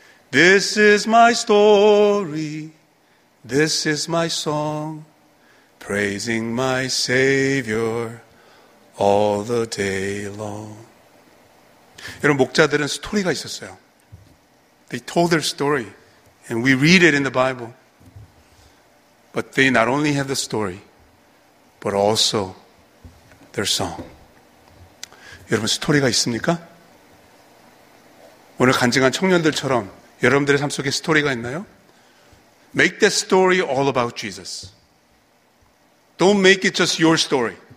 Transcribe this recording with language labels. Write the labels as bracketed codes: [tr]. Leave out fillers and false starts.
[en] This is my story. This is my song. Praising my Savior all the day long. [ko] 여러분, 목자들은 스토리가 있었어요. [en] They told their story, and we read it in the Bible. But they not only have the story, but also their song. [ko] 여러분, 스토리가 있습니까? 오늘 간증한 청년들처럼 여러분들의 삶 속에 스토리가 있나요? [en] Make that story all about Jesus. Don't make it just your story.